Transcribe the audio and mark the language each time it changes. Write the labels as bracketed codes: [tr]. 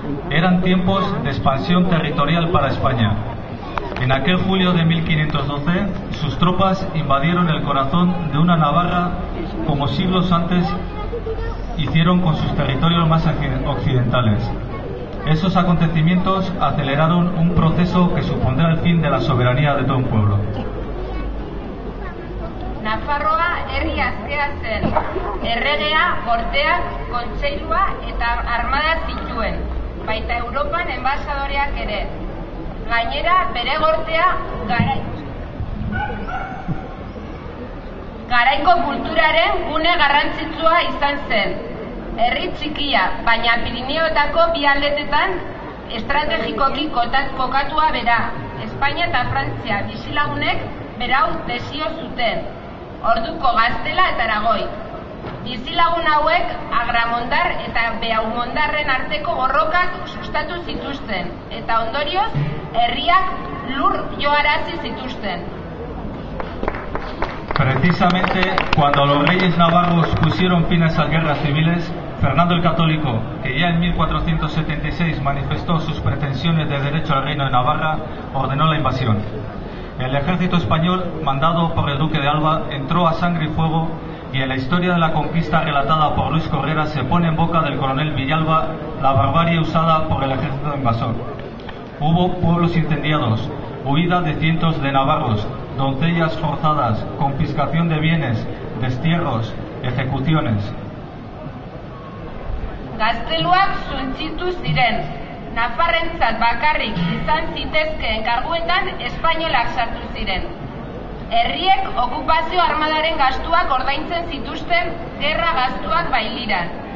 [es] Eran tiempos de expansión territorial para España. En aquel julio de 1512, sus tropas invadieron el corazón de una Navarra como siglos antes hicieron con sus territorios más occidentales. Esos acontecimientos aceleraron un proceso que supondrá el fin de la soberanía de todo un pueblo. [eu] Nafarroa herri askea zen, erregea, gorteak, kontseilua eta armada zituen, baita Europan enbasadoreak ere. Gainera, bere gortea garaiko kulturaren gune garrantzitsua izan zen. Herri txikia, baina Pirineoetako bi aldetetan estrategikoki kokatua bera, Espainia eta Frantzia bizilagunek berau desio zuten. Orduko Gaztela eta Aragoi. Bizilagun hauek Agramondar eta Beaumondarren arteko borrokak sustatu zituzten, eta ondorioz herriak lur joarazi zituzten. [es] Precisamente cuando los reyes navarros pusieron fin a esas guerras civiles, Fernando el Católico, que ya en 1476 manifestó sus pretensiones de derecho al reino de Navarra, ordenó la invasión. El ejército español, mandado por el duque de Alba, entró a sangre y fuego, y en la historia de la conquista relatada por Luis Correra se pone en boca del coronel Villalba la barbarie usada por el ejército invasor. Hubo pueblos incendiados, huida de cientos de navarros, doncellas forzadas, confiscación de bienes, destierros, ejecuciones. [eu] Gazteluak suntzitu ziren. Nafarrentzat bakarrik izan zitezkeen karguetan espainolak sartu ziren. Herriek okupazio armadaren gastuak ordaintzen zituzten gerra gastuak bailiran.